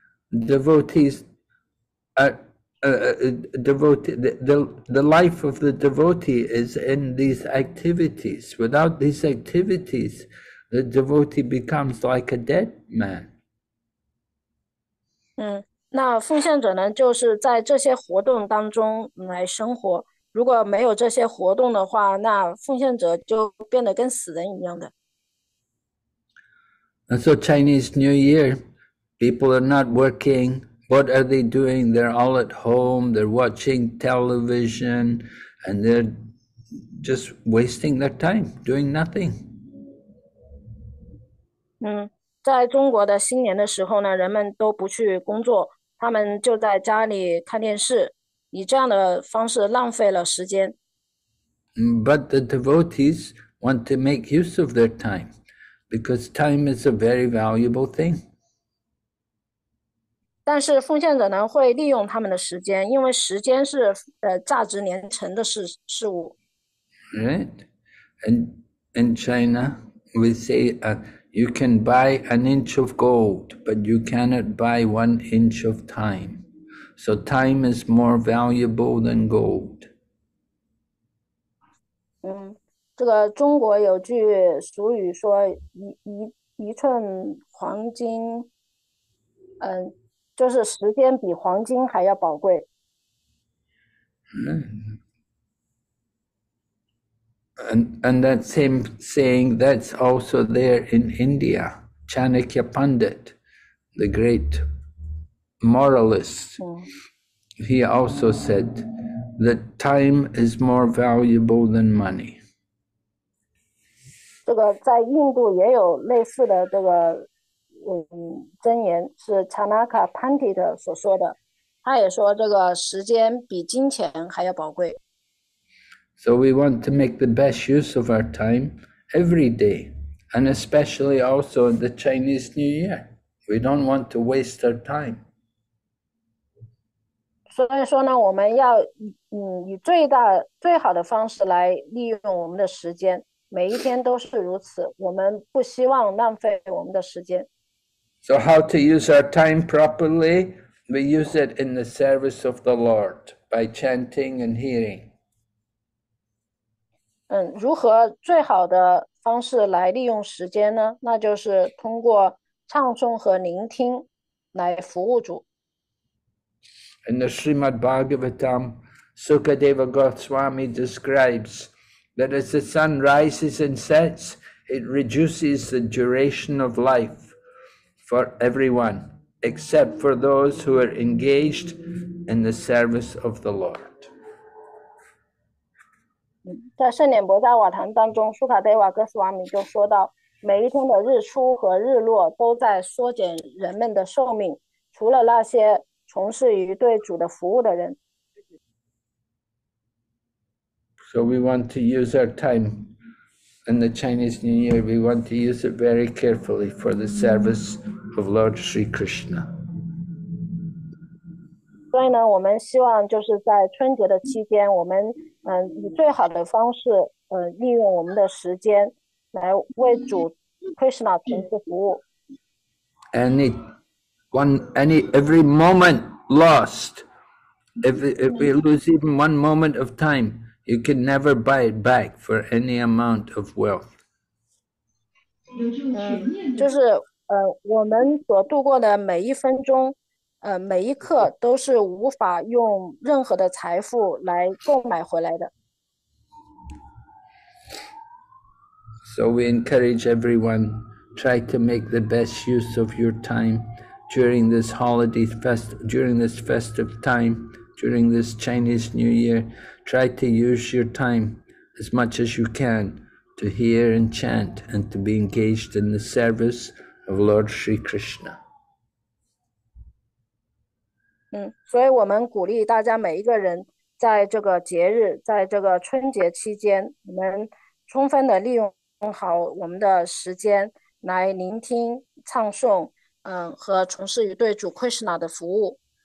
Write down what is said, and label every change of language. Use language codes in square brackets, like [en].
[en] Devotees are devotee, the life of the devotee is in these activities. Without these activities, the devotee becomes like a dead man. [zh] 那奉献者呢，就是在这些活动当中来生活。如果没有这些活动的话，那奉献者就变得跟死人一样的。 [en] And so Chinese New Year, people are not working. What are they doing? They're all at home, they're watching television, and they're just wasting their time doing nothing. [zh] 在中国的新年的时候呢，人们都不去工作，他们就在家里看电视。以这样的方式浪费了时间。 [en] But the devotees want to make use of their time because time is a very valuable thing. [zh] 但是奉献者呢，会利用他们的时间，因为时间是价值连城的事物。 [en] Right, and in China, we say you can buy an inch of gold, but you cannot buy 1 inch of time. So time is more valuable than gold. [zh] 这个中国有句俗语说一寸黄金，就是时间比黄金还要宝贵。 [en] And that same saying that's also there in India, Chanakya Pandit, the great moralist, he also said that time is more valuable than money. [zh] 这个在印度也有类似的这个，箴言是 Chanaka Pandit 所说的，他也说这个时间比金钱还要宝贵。 [en] So we want to make the best use of our time every day, and especially also the Chinese New Year. We don't want to waste our time. [zh] 所以说呢，我们要以最大最好的方式来利用我们的时间。每一天都是如此，我们不希望浪费我们的时间。 [en] So how to use our time properly? We use it in the service of the Lord by chanting and hearing. [zh] 如何最好的方式来利用时间呢？那就是通过唱诵和聆听来服务主。 [en] In the Srimad Bhagavatam, Sukadeva Goswami describes that as the sun rises and sets, it reduces the duration of life for everyone, except for those who are engaged in the service of the Lord. [zh] 在盛典博迦瓦坛当中，苏卡德瓦格斯瓦米就说到，每一天的日出和日落都在缩减人们的寿命，除了那些从事于对主的服务的人。 [en] So we want to use our time in the Chinese New Year. We want to use it very carefully for the service of Lord Sri Krishna. [zh] 所以呢，我们希望就是在春节的期间，我们以最好的方式，利用我们的时间来为主 Krishna 从事服务。 [en] Every moment lost, if we lose even 1 moment of time, you can never buy it back for any amount of wealth. [zh] 就是我们所度过的每一分钟。每一刻都是无法用任何的财富来购买回来的。 [en] So we encourage everyone, try to make the best use of your time during this holiday fest, during this festive time. During this Chinese New Year, try to use your time as much as you can to hear and chant and to be engaged in the service of Lord Sri Krishna. [zh] 所以我们鼓励大家每一个人，在这个节日，在这个春节期间，我们充分的利用好我们的时间来聆听、唱诵，和从事于对主 Krishna 的服务。